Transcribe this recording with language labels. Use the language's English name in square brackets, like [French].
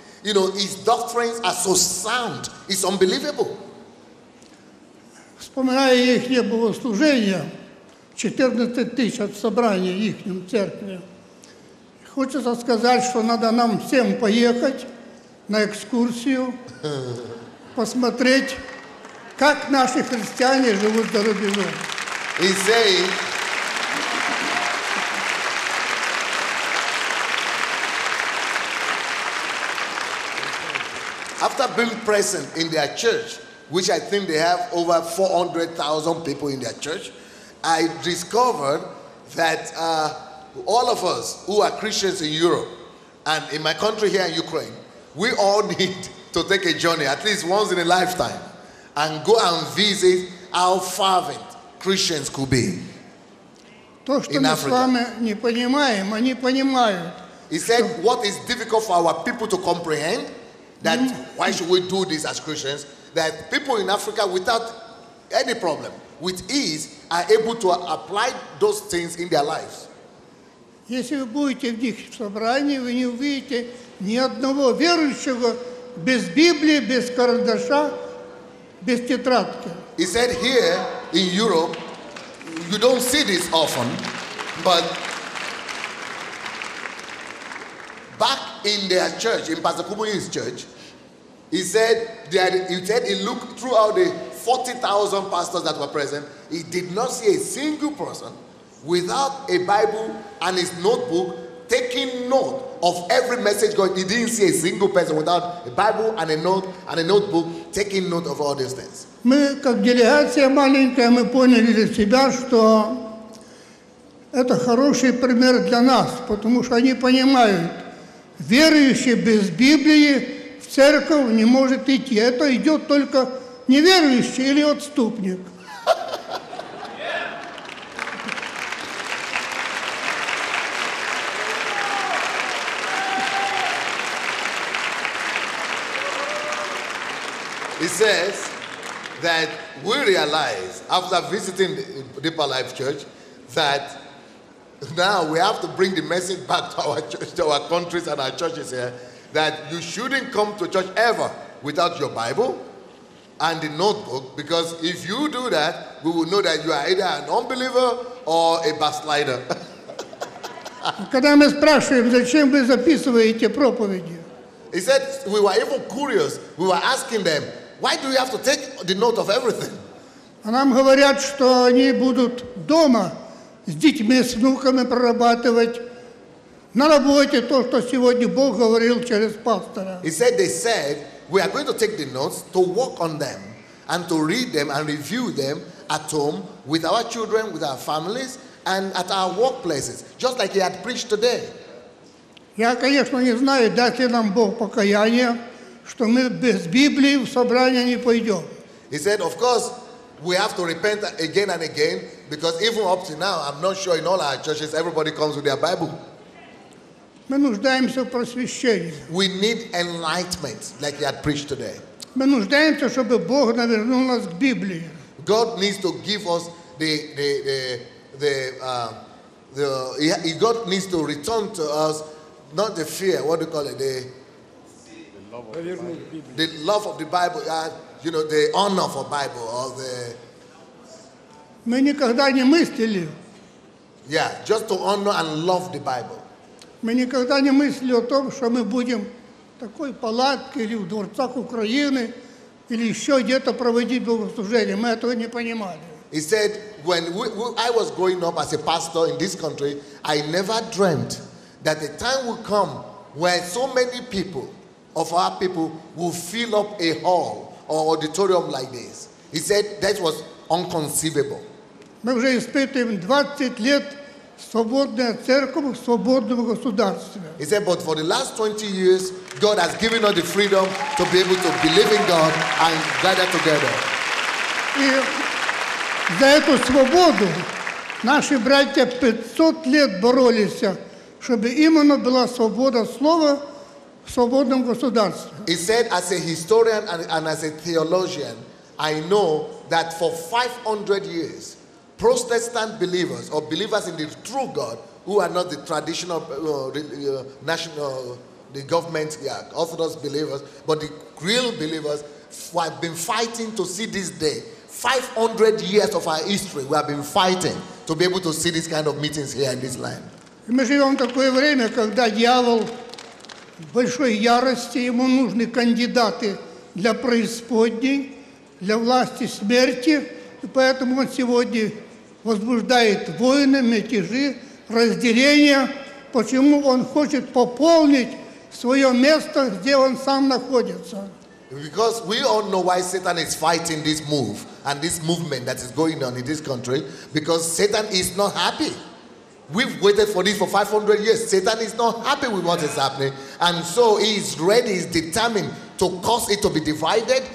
[English] You know, his doctrines are so sound, it's unbelievable. [Russian] Вспоминая их богослужение, 14,000 собраний в их церкви. Хочется сказать, что надо нам всем поехать на экскурсию, посмотреть, как наши христиане живут за рубежом. [English] He said, after being present in their church, which I think they have over 400,000 people in their church, I discovered that all of us who are Christians in Europe and in my country here in Ukraine, we all need to take a journey at least once in a lifetime and go and visit how fervent Christians could be in Africa. He said, what is difficult for our people to comprehend, that why should we do this as Christians, that people in Africa without any problem, with ease, are able to apply those things in their lives. [Russian] Если вы будете в них в собрании, вы не увидите ни одного верующего без Библии, без карандаша, без тетрадки. [English] He said here in Europe, you don't see this often, but back in their church, in Pastor Kumuyi's church, he looked throughout the 40,000 pastors that were present, he did not see a single person without a Bible and his notebook taking note of every message going. He didn't see a single person without a Bible and a note and a notebook taking note of all these things. [Russian] Мы как делегация маленькая, мы поняли для себя, что это хороший пример для нас, потому что они понимают, верующий без Библии в церковь не может идти. Это идет только неверующий или отступник. [English] He says, that we realize after visiting Deeper Life Church that now we have to bring the message back to our church, to our countries and our churches here, that you shouldn't come to church ever without your Bible and the notebook, because if you do that, we will know that you are either an unbeliever or a backslider. [Russian] Когда мы спрашиваем, зачем вы записываете проповеди? [English] He said we were even curious. We were asking them, why do you have to take the note of everything? [Russian] А нам говорят, что они будут дома с детьми, с внуками прорабатывать на работе то, что сегодня Бог говорил через пастора. [English] He said they said we are going to take the notes to work on them and to read them and review them at home with our children, with our families, and at our workplaces, just like he had preached today. [Russian] Я, конечно, не знаю, даст ли нам Бог покаяние, что мы без Библии в собрание не пойдем. [English] He said, of course, we have to repent again and again, because even up to now, I'm not sure in all our churches, everybody comes with their Bible. [Russian] Мы нуждаемся в просвещении. [English] We need enlightenment, like he had preached today. [Russian] Мы нуждаемся, чтобы Бог навернул нас к Библии. [English] God needs to give us the God needs to return to us not the fear, what do you call it, the love of the Bible, you know, the honor for Bible, or the [Russian] мы никогда не мыслили, [English] yeah, just to honor and love the Bible. [Russian] Мы никогда не мыслили о том, что мы будем такой палатке или в дворцах Украины или еще где-то проводить богослужение. Мы этого не понимали. [English] He said, when I was growing up as a pastor in this country, I never dreamt that the time would come where so many people of our people will fill up a hall or auditorium like this. He said that was inconceivable. [Russian] Мы уже испытываем 20 лет свободная церковь, свободного государства. [English] He said, but for the last 20 years, God has given us the freedom to be able to believe in God and gather together. [Russian] За эту свободу наши братья 500 лет боролись, чтобы именно была свобода слова в свободном государстве. [English] He said, as a historian and as a theologian, I know that for 500 years, Protestant believers or believers in the true God, who are not the traditional Orthodox believers, but the real believers, who have been fighting to see this day. 500 years of our history, we have been fighting to be able to see this kind of meetings here in this land. [Russian] Мы живем такое время, когда дьявол в большой ярости, ему нужны кандидаты для преисподней, для власти смерти, и поэтому он сегодня возбуждает войны, мятежи, разделения. Почему он хочет пополнить свое место, где он сам находится? [English] Because we all know why Satan is fighting this move and this movement that is going on in this country, because Satan is not happy. We've waited for this for 500 years. Satan is not happy with what is happening. And so he is ready, he is determined to cause it to be divided.